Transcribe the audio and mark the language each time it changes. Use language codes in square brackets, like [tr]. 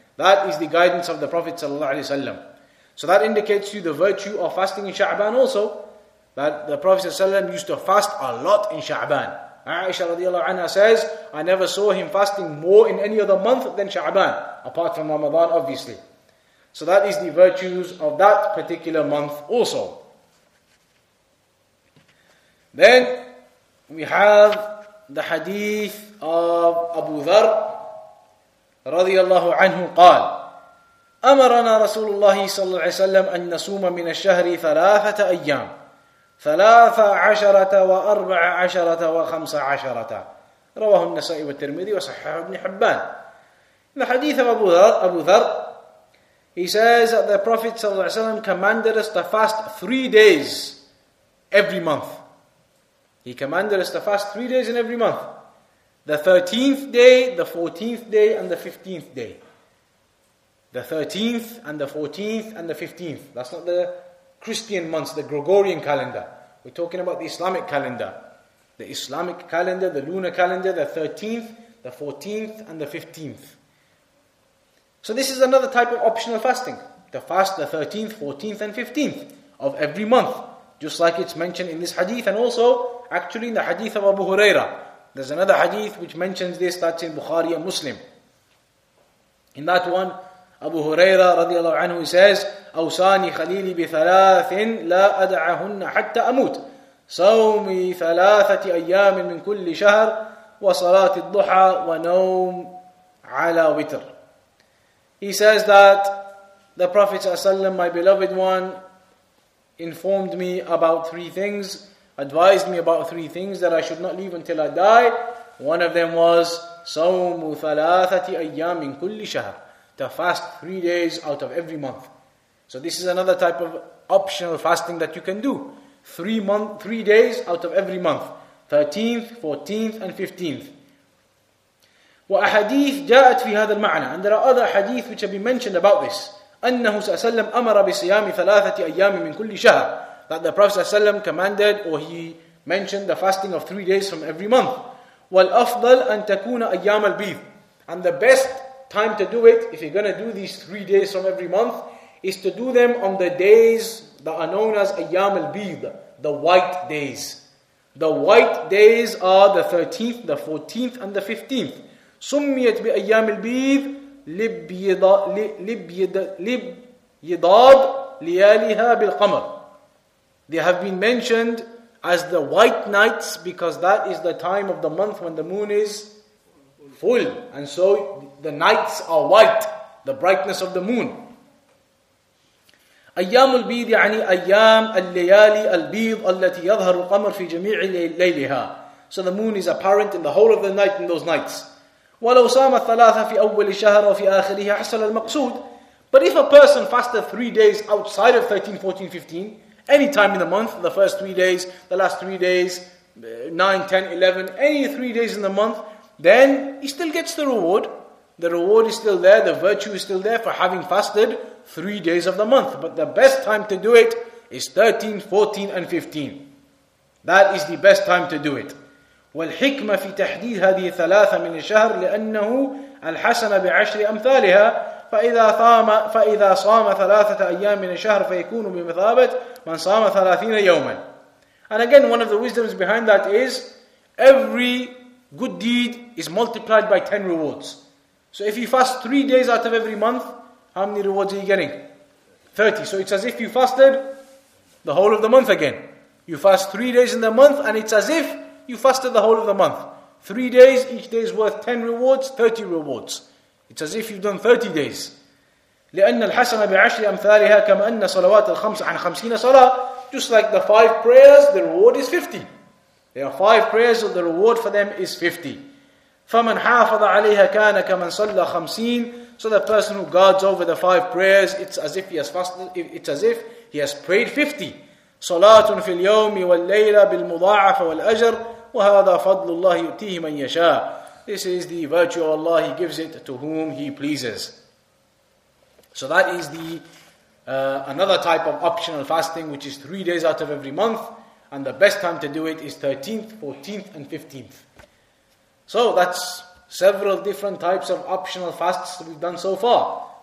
[en] That is the guidance of the Prophet ﷺ. So that indicates to you the virtue of fasting in Sha'ban also, that the Prophet ﷺ used to fast a lot in Sha'ban. Aisha radiallahu anha says, I never saw him fasting more in any other month than Sha'ban, apart from Ramadan obviously. So that is the virtues of that particular month also. Then we have the hadith of Abu Dharr radiallahu anhu qal, [ar] أمرنا رسول الله صلى الله عليه وسلم أن نصوم من الشهر ثلاثة أيام ثلاثة عشرة وأربعة عشرة وخمسة عشرة. رواه النسائي والترمذي وصححه ابن حبان. [en] In the hadith of Abu Dharr, he says that the Prophet [ar] صلى الله عليه وسلم [en] commanded us to fast 3 days every month. He commanded us to fast 3 days in every month. The 13th day, the 14th day, and the 15th day. The 13th and the 14th and the 15th. That's not the Christian months, the Gregorian calendar. We're talking about the Islamic calendar. The Islamic calendar, the lunar calendar, the 13th, the 14th, and the 15th. So this is another type of optional fasting. To fast the 13th, 14th, and 15th of every month. Just like it's mentioned in this hadith, and also actually in the hadith of Abu Huraira. There's another hadith which mentions this, that's in Bukhari and Muslim. In that one, Abu Huraira radiallahu anhu says, [ar] أوصاني خليلي بثلاث لا أدعهن حتى أموت صومي ثلاثة أيام من كل شهر وصلاة الضحى ونوم على وتر. [en] He says that the Prophet ﷺ, my beloved one, informed me about three things, advised me about three things that I should not leave until I die. One of them was [ar] صوم ثلاثة أيام من كل شهر, [en] to fast 3 days out of every month. So this is another type of optional fasting that you can do. 3 days out of every month. 13th, 14th, and 15th. [ar] وأحاديث جاءت في هذا المعنى. [en] And there are other hadith which have been mentioned about this. [ar] أنه صلى الله عليه وسلم أمر بصيام ثلاثة أيام من كل شهر. [en] That the Prophet [ar] صلى الله عليه وسلم [en] commanded or he mentioned the fasting of 3 days from every month. [ar] والأفضل أن تكون أيام البيض. [en] And the best time to do it, if you're going to do these 3 days from every month, is to do them on the days that are known as أيام البيض, the white days. The white days are the 13th, the 14th, and the 15th. [ar] سميت بأيام البيض لبيضاض لياليها بالقمر. [en] They have been mentioned as the white nights because that is the time of the month when the moon is full. And so the nights are white, the brightness of the moon. [ar] أيام البيض يعني أيام الليالي البيض التي يظهر القمر في جميع ليلها. [en] So the moon is apparent in the whole of the night in those nights. [ar] ولو صام الثلاثة في أول الشهر وفي آخره حصل المقصود. [en] But if a person fasted 3 days outside of 13, 14, 15, any time in the month, the first 3 days, the last 3 days, 9, 10, 11, any 3 days in the month, then he still gets the reward. The reward is still there, the virtue is still there for having fasted 3 days of the month. But the best time to do it is 13, 14, and 15. That is the best time to do it. [ar] والحكمة في تحديد هذه الثلاثة من الشهر لأنه الحسن بعشر أمثالها فإذا صام ثلاثة أيام من الشهر فيكون بمثابة من صام ثلاثين يوما. [en] And again, one of the wisdoms behind that is every good deed is multiplied by 10 rewards. So if you fast 3 days out of every month, how many rewards are you getting? 30. So it's as if you fasted the whole of the month again. You fast 3 days in the month and it's as if you fasted the whole of the month. 3 days, each day is worth 10 rewards, 30 rewards. It's as if you've done 30 days. [ar] لِأَنَّ الْحَسَنَ بِعَشْرِ أَمْثَالِهَا كَمَأَنَّ صَلَوَاتَ الْخَمْسَ عَنْ خَمْسِينَ صَلَاةٍ. [en] Just like the five prayers, the reward is 50. There are five prayers, so the reward for them is 50. [ar] فَمَنْ حَافَظَ عَلَيْهَا كَانَ كَمَنْ صَلَّى خَمْسِينَ. [en] So the person who guards over the five prayers, it's as if he has fasted, it's as if he has prayed 50. [ar] صلاة في اليوم والليلة بالمضاعفة والأجر وهذا فضل الله يؤتيه من يشاء. [en] This is the virtue of Allah, He gives it to whom He pleases. So that is the another type of optional fasting, which is 3 days out of every month, and the best time to do it is 13th, 14th, and 15th. So that's several different types of optional fasts that we've done so far.